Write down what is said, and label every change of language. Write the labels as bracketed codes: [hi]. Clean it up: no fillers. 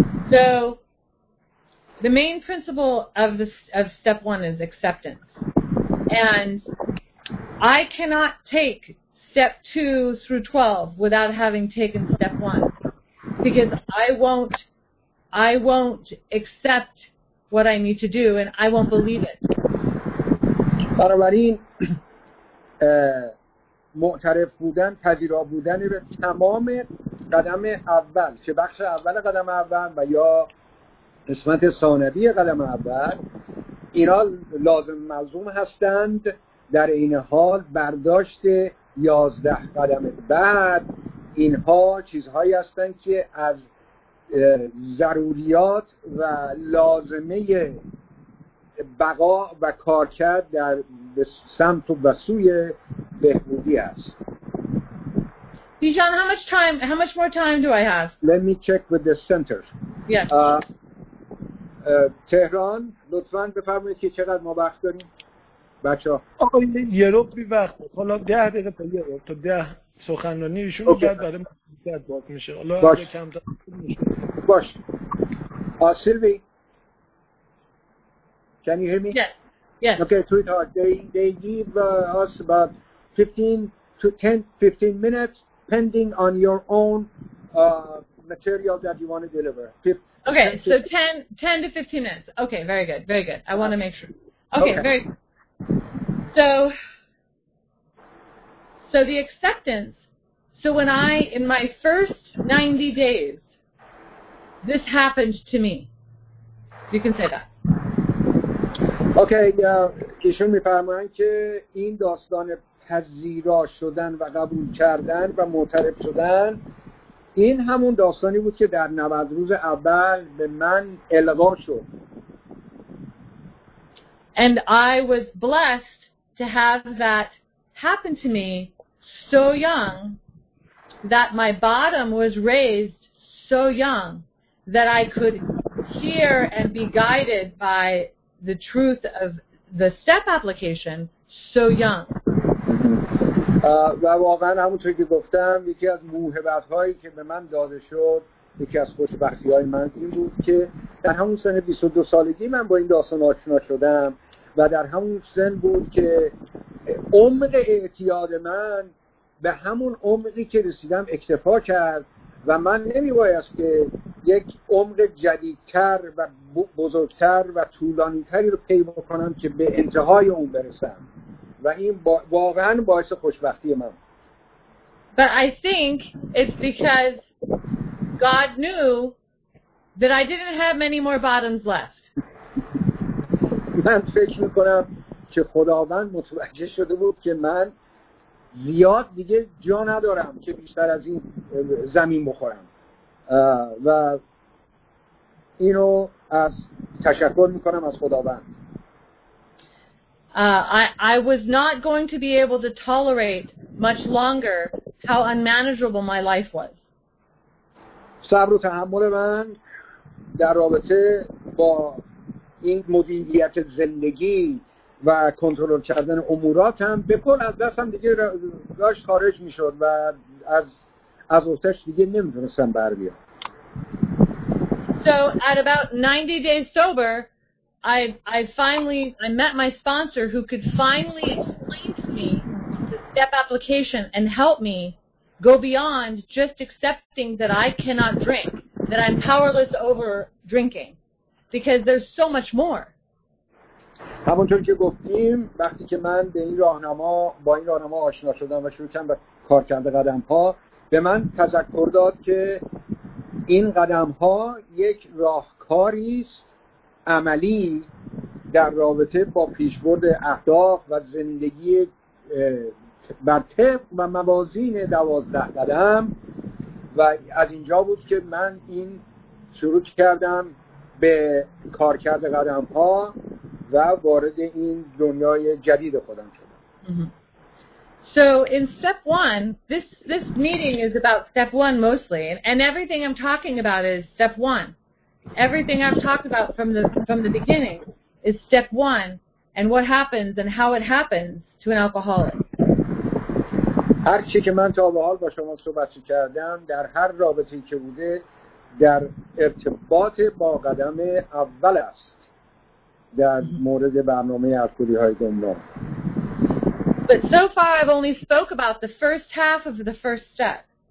[en] So the main principle of step one is acceptance. And I cannot take step 2 through 12 without having taken step 1, because I won't accept what I need to do and I won't believe it. [fa] بنابراین معترف بودن، پذیرا بودن به تمام قدم اول، چه بخش اول قدم اول و یا قسمت ثانوی قدم اول، اینا لازم ملزوم هستند. در این حال برداشت 11 قدم بعد، اینها چیزهایی هستند که از ضروریات و لازمه بقا و کارکرد در سمت و سوی بهبودی است. [en] Bijan, how much more time do I have? Let me check with the center. Yes. [fa] تهران، لطفاً بفرمایید که چقدر ما وقت داریم. بچه‌ها، آقای یه ربعی وقت، حالا 10 دقیقه تا یه ربع تا 10 سخنرانی ایشون بعد برای مسئولیت باز میشه. حالا یه کم تا [en] باش. Sylvie, can you hear me? Yes. Okay, sweetheart. They give us about 15 minutes depending on your own material that you want to deliver. Okay, so 10 to 15 minutes. Okay, very good, very good. I want to make sure. Okay, very good. So the acceptance, so when I, in my first 90 days, this happened to me. You can say that. [fa] اوکی ایشون میفرمایند که این داستان پذیرا شدن و قبول کردن و معترف شدن، این همون داستانی بود که در 90 روز اول به من القا شد. [en] And I was blessed to have that happen to me so young that my bottom was raised so young that I could hear and be guided by the truth of the step application so young. [fa] و واقعا همونطور که گفتم، یکی از موهبت هایی که به من داده شد، یکی از خوشبختی های من این بود که در همون سن 22 سالگی من با این داستان آشنا شدم و در همون سن بود که عمق اعتیاد من به همون عمقی که رسیدم اکتفا کرد و من نمیبایست که یک عمق جدیدتر و بزرگتر و طولانیتری رو پی بکنم که به انتهای اون برسم، و این واقعا باعث خوشبختی من. [en] But I think it's because God knew that I didn't have many more bottoms left. [fa] من فکر میکنم که خداوند متوجه شده بود که من زیاد دیگه جا ندارم که بیشتر از این زمین بخورم، و اینو از تشکر میکنم از خداوند. [en] I was not going to be able to tolerate much longer how unmanageable my life was. [fa] صبر و تحمل من در رابطه با این مدیریت زندگی و کنترل کردن اموراتم به کل از دستم دیگه داشت خارج میشد و از اوتش دیگه نمیتونستم بر بیام. [en] So at about 90 days sober, I met my sponsor who could finally explain to me the step application and help me go beyond just accepting that I cannot drink, that I'm powerless over drinking, because there's so much more. [fa] همونطور که گفتیم، وقتی که من به این راهنما با این راهنما آشنا شدم و شروع کردم به کار کرده قدم ها، به من تذکر داد که این قدم ها یک راهکاری است عملی در رابطه با پیشبرد اهداف و زندگی بر طبق و موازین 12 قدم، و از اینجا بود که من این شروع کردم به کار کرده قدم ها و وارد این دنیای جدید خودم شدم. [en] So in step one, this meeting is about step one mostly, and everything I'm talking about is step one. Everything I've talked about from the beginning is step one, and what happens and how it happens to an alcoholic. [fa] هر چی که من تا به حال با شما صحبت کردم در هر رابطه‌ای که بوده در ارتباط با قدم اول است در مورد برنامه الکلی های گمنام. [en] But so far I've only spoke about the first half of the first step.